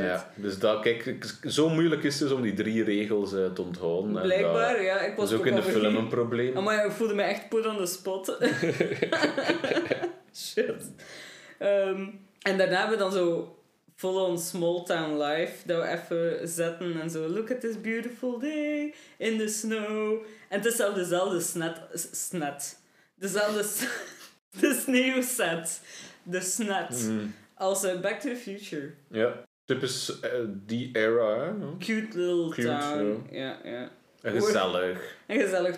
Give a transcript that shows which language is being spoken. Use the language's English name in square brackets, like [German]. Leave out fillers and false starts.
[Dutch] Ja, dus dat, kijk, zo moeilijk is het dus om die 3 regels te onthouden. Blijkbaar, en dat, ja. Ik was dat is ook in de film een probleem. Maar ik voelde me echt [English] put on the spot. [Dutch] Shit. En daarna hebben we dan zo... [English] Full on small town life. [Dutch] Dat we even zetten en zo. [English] Look at this beautiful day in the snow. [Dutch] En het is zelf dezelfde snet. Dezelfde de sneeuw set. De snet. Mm. Als Back to the Future. Ja. Typisch die era. Hè? [English] Cute little cute, town. Ja, ja. [Dutch] En gezellig. En gezellig.